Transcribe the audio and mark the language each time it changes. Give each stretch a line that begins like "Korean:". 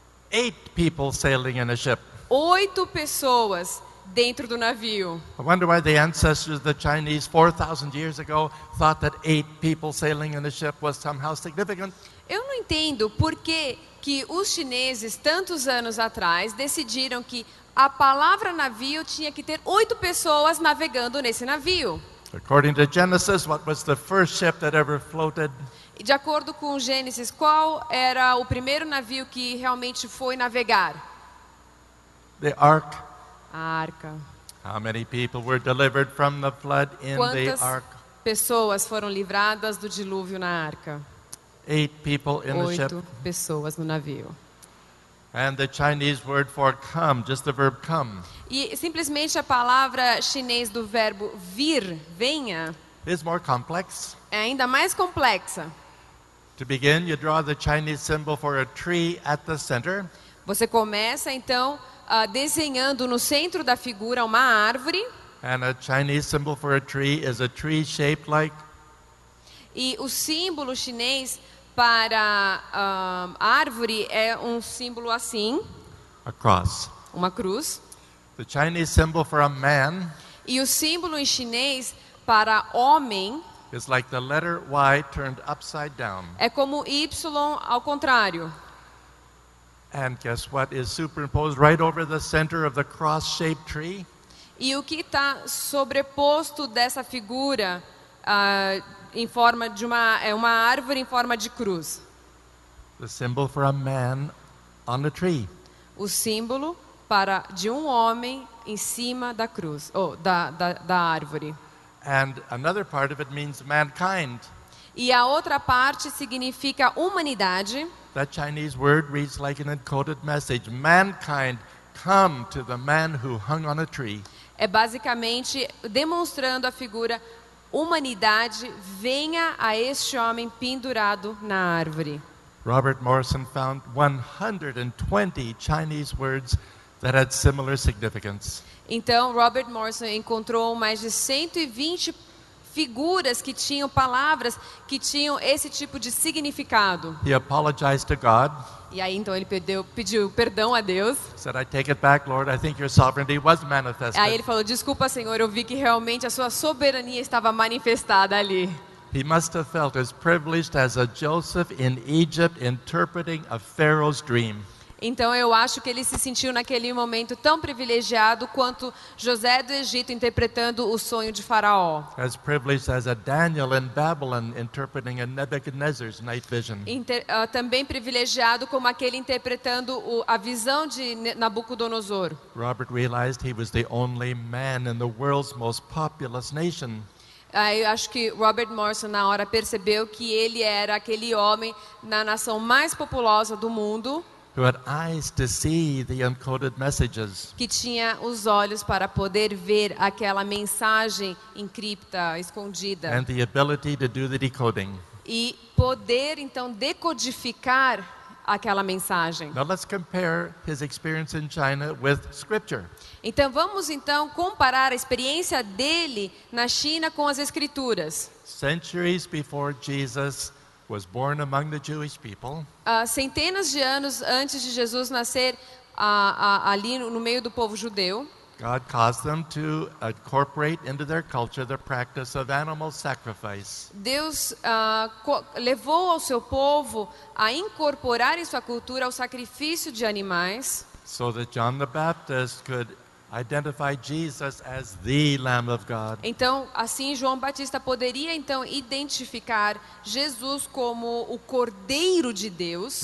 English: 8 people sailing in a ship.
Portuguese: 8 pessoas dentro do navio.
English: I wonder why the ancestors of the Chinese 4,000 years ago thought that 8 people sailing in a ship was somehow significant.
Portuguese: Eu não entendo por que os chineses, tantos anos atrás, decidiram que A palavra navio tinha que ter 8 pessoas navegando nesse navio.
English: According to Genesis, what was the first ship that ever floated?
Portuguese: De acordo com Gênesis, qual era o primeiro navio que realmente foi navegar?
English: The ark.
Portuguese: A arca.
English: How many people were delivered from the flood in the ark?
Portuguese: Quantas pessoas foram livradas do dilúvio na arca?
English: 8 people in the ship.
Portuguese: 8 pessoas no navio.
English: And the Chinese word for come, just the verb come.
Portuguese: E simplesmente a palavra chinês do verbo vir, venha.
English: Is more complex.
Portuguese: É ainda mais complexa.
English: To begin, you draw the Chinese symbol for a tree at the center.
Portuguese: Você começa então desenhando no centro da figura uma árvore.
English: And a Chinese symbol for a tree is a tree shaped like.
Portuguese: E o símbolo chinês para árvore é um símbolo assim.
English: A cross.
Portuguese: Uma cruz.
English: The Chinese symbol for a man.
Portuguese: E o símbolo em chinês para homem.
English: It's like the letter Y turned upside down.
Portuguese: É como Y ao contrário.
English: And guess what is superimposed right over the center of the cross-shaped tree?
Portuguese: E o que está sobreposto dessa figura em forma de uma árvore em forma de cruz?
English: The symbol for a man on the tree.
Portuguese: O símbolo para de um homem em cima da cruz ou da árvore.
English: And another part of it means mankind.
Portuguese: E a outra parte significa humanidade.
English: That Chinese word reads like an encoded message. Mankind, come to the man who hung on a tree.
Portuguese: É basicamente demonstrando a figura humanidade, venha a este homem pendurado na árvore.
English: Robert Morrison found 120 Chinese words that had similar significance.
Portuguese: Então, Robert Morrison encontrou mais de 120 figuras que tinham palavras que tinham esse tipo de significado.
English: He apologized to God.
Portuguese: E aí, então, ele pediu perdão a Deus.
English: Said, I take it back, Lord. I think your sovereignty was manifested.
Portuguese: Aí ele falou, desculpa, Senhor, eu vi que realmente a sua soberania estava manifestada ali.
English: He must have felt as privileged as a Joseph in Egypt interpreting a Pharaoh's dream.
Portuguese: Então eu acho que ele se sentiu naquele momento tão privilegiado quanto José do Egito interpretando o sonho de Faraó.
English: As privileged as a Daniel in Babylon interpreting a Nebuchadnezzar's night vision.
Portuguese: Também privilegiado como aquele interpretando a visão de Nabucodonosor.
English: Robert realized he was the only man in the world's most populous nation.
Portuguese: Eu acho que Robert Morrison na hora percebeu que ele era aquele homem na nação mais populosa do mundo.
English: Who had eyes to see the encoded messages.
Portuguese: Que tinha os olhos para poder ver aquela mensagem encripta, escondida.
English: And the ability to do the decoding.
Portuguese: E poder então decodificar aquela mensagem.
English: Now let's compare his experience in China with scripture.
Portuguese: Então vamos então comparar a experiência dele na China com as escrituras.
English: Centuries before Jesus was born among the Jewish people.
Portuguese: Centenas de anos antes de Jesus nascer ali no meio do povo judeu.
English: God caused them to incorporate into their culture the practice of animal sacrifice.
Portuguese: Deus levou ao seu povo a incorporar em sua cultura o sacrifício de animais.
English: So that John the Baptist could identify Jesus as the Lamb of God.
Portuguese: Então, assim João Batista poderia então identificar Jesus como o Cordeiro de Deus.